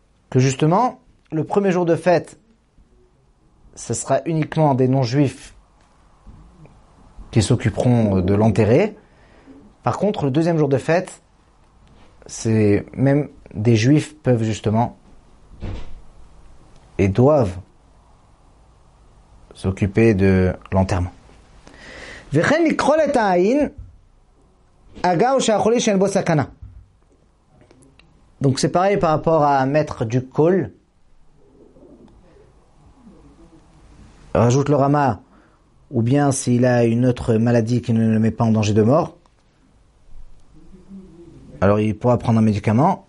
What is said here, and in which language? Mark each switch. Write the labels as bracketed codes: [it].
[fr] Que justement, le premier jour de fête, ce sera uniquement des non-juifs qui s'occuperont de l'enterrer. Par contre, le deuxième jour de fête, c'est même des juifs peuvent justement et doivent s'occuper de l'enterrement. [he] וכן לכחול את העין אגב שהחולי שאין בו סכנה. [fr] Donc c'est pareil par rapport à mettre du col. Rajoute le rama, ou bien s'il a une autre maladie qui ne le met pas en danger de mort, alors il pourra prendre un médicament.